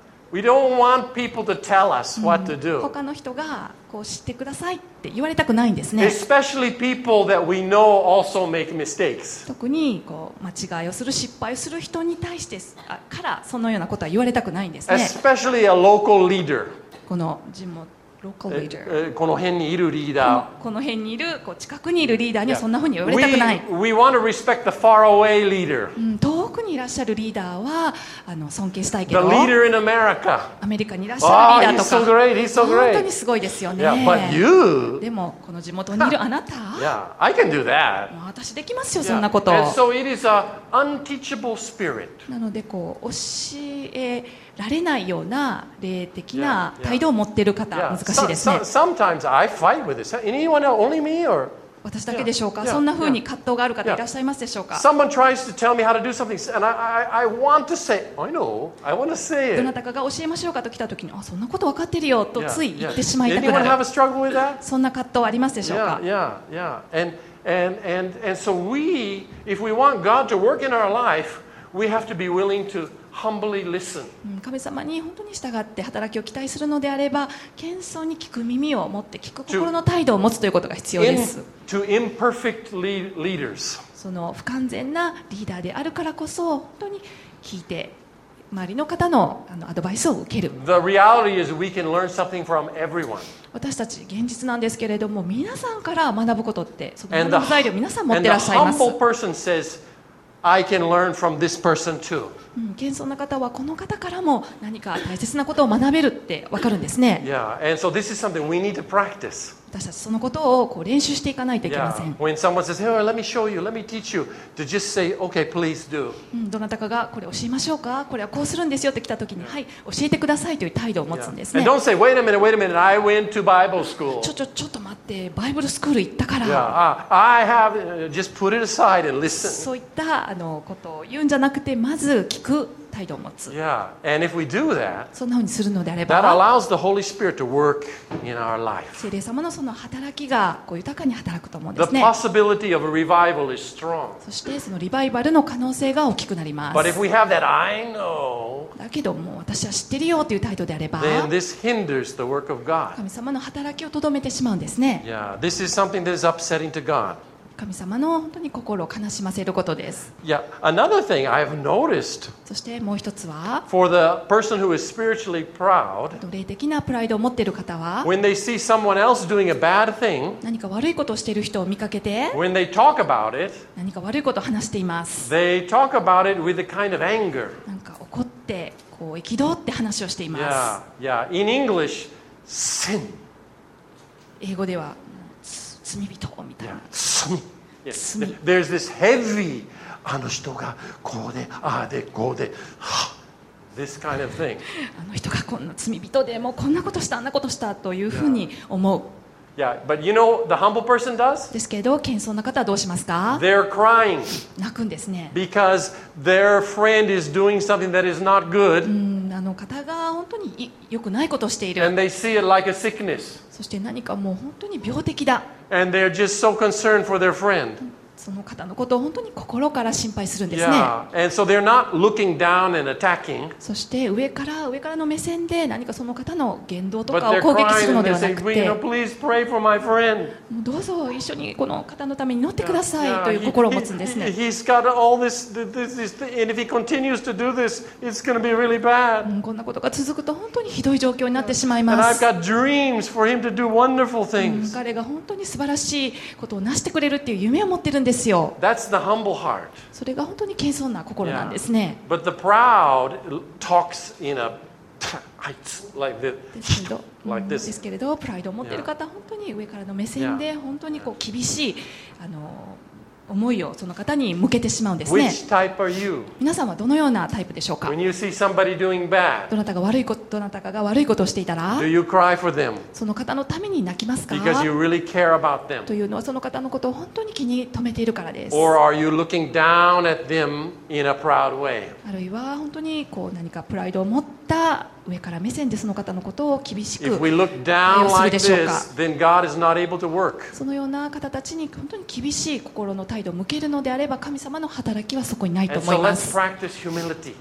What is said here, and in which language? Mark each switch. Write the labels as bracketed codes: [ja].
[en] We don't want people to tell us what to do. [ja] 他の人がこう知ってくださいって言われたくないんですね。 [en] Especially people that we know also make mistakes. [ja] 特にこう間違いをする失敗をする人に対してからそのようなことは言われたくないんですね。 [en] Especially a local leader. [ja] この地元 [en] local leader. [ja] この辺にいるリーダー、この辺にいる、こう近くにいるリーダーにはそんな風に言われたくない。 [en] We want to respect the far away leader. [ja] 遠くにいらっしゃるリーダーは尊敬したいけど、 [en] The leader in America. [ja] アメリカにいらっしゃるリーダーとか、 [en] he's so great, he's so great. [ja] 本当にすごいですよね。 [en] Yeah, but you. [ja] でもこの地元にいるあなた、 [en] Yeah, I can do that. [ja] もう私できますよ、そんなこと。 [en] And so it is a unteachable spirit. [ja] なのでこう教えられないような霊的な態度を持っている方、難しいですね。 [en] Sometimes I fight with this. Anyone else? Only me or? [ja] 私だけでしょうか。そんな風に葛藤がある方いらっしゃいますでしょうか。 [en] Someone tries to tell me how to do something, and I want to say, I know, I want to say it. [ja] どなたかが教えましょうかと来た時に、あ、そんなこと分かってるよとつい言ってしまいたくなる。 [en] Anyone have a struggle with that? [ja] そんな葛藤ありますでしょうか。 [en] And so we, if we want God to work in our life, we have to be willing to. Humbly listen. [ja] 神様に本当に従って働きを期待するのであれば、謙遜に聞く耳を持って聞く心の態度を持つということが必要です。 [en] To imperfect leaders. [ja] その不完全なリーダーであるからこそ本当に聞いて周りの方のアドバイスを受ける。 [en] The reality is we can learn something from everyone. [ja] 私たち現実なんですけれども、皆さんから学ぶことってその学ぶ材料皆さん持ってらっしゃいます。 [en] And the humble person says,I can learn from this person too. [ja] 謙遜な方はこの方からも何か大切なことを学べるって分かるんですね。 [en] Yeah, and so this is something we need to practice. [ja] 私たちそのことをこう練習していかないといけません。 [en] Yeah, when someone says, "Hey, let me show you, let me teach you," to just say, "Okay, please do." [ja] どなたかがこれ教えましょうか、これはこうするんですよって来た時に、はい、教えてくださいという態度を持つんですね。 [en] And don't say, "Wait a minute, wait a minute, I went to Bible school." [ja] ちょっと待って、バイブルスクール行ったから。 [en] Yeah, I have just put it aside and listen. [ja] そういったことを言うんじゃなくて、まず聞く態度を持つ。 [en] Yeah, and if we do that, [ja] そんな風にするのであれば、 [en] that allows the Holy Spirit to work in our life. [ja] 聖霊様のその働きがこう豊かに働くと思うんですね。 [en] The possibility of a revival is strong. [ja] そしてそのリバイバルの可能性が大きくなります。 [en] But if we have that, I know. [ja] だけどもう私は知ってるよという態度であれば、 [en] then this hinders the work of God. [ja] 神様の働きをとどめてしまうんですね。 [en] Yeah, this is something that is upsetting to God. [ja] 神様の本当に心を悲しませることです。 [en] Yeah, another thing I've noticed. [ja] そしてもう一つは、 [en] for the person who is spiritually proud, [ja] 霊的なプライドを持っている方は、 [en] when they see someone else doing a bad thing, [ja] 何か悪いことをしている人を見かけて、 [en] when they talk about it, [ja] 何か悪いことを話しています。 [en] they talk about it with a kind of anger. [ja] なんか怒ってこう憤って話をしています。 [en] Yeah, in English, sin. [ja] 英語では。罪人みたいな。罪。罪。 [en] There's this heavy, [ja] あの人がこうで、ああで、こうで、はっ。 [en] This kind of thing. [ja] あの人がこんな罪人で、もうこんなことした、あんなことしたというふうに思う。 [en] Yeah, but you know the humble person does? [ja] ですけど、謙遜な方はどうしますか? [en] They're crying. [ja] 泣くんですね。 [en] Because their friend is doing something that is not good. [ja] あの方が本当に良くないことをしている。 [en] And they see it like a sickness. [ja] そして何かもう本当に病的だ。 [en] And they're just so concerned for their friend. [ja] その方のことを本当に心から心配するんですね。 [en] Yeah. And so they're not looking down and attacking. [ja] そして上からの目線で何かその方の言動とかを攻撃するのではなくて、 [en] But they're crying and they say, "Please pray for my friend." [ja] もうどうぞ一緒にこの方のために祈ってくださいという心を持つんですね。 [en] Yeah. He's got all this, and if he continues to do this, it's going to be really bad. [ja] こんなことが続くと本当にひどい状況になってしまいます。 [en] And I've got dreams for him to do wonderful things. [ja] 彼が本当に素晴らしいことを成してくれるっていう夢を持ってるんですよ。 [en] That's the humble heart. [ja] それが本当に謙遜な心なんですね。 [en] Yeah. But the proud talks in a like this. [ja] ですけれど、プライドを持っている方、本当に上からの目線で本当にこう厳しいあの思いをその方に向けてしまうんですね。 [en] Which type are you? [ja] 皆さんはどのようなタイプでしょうか。 [en] When you see somebody doing bad, [ja] どなたかが悪いことをしていたら、 [en] do you cry for them? [ja] その方のために泣きますか。 [en] Because you really care about them. [ja] というのはその方のことを本当に気に留めているからです。 [en] Or are you looking down at them in a proud way? [ja] あるいは本当にこう何かプライドを持った上から目線でその方のことを厳しく対応するでしょうか。 [en] Like、 [ja] そのような方たちに本当に厳しい心の態度を向けるのであれば、神様の働きはそこにないと思います。 [en] So、let's humility.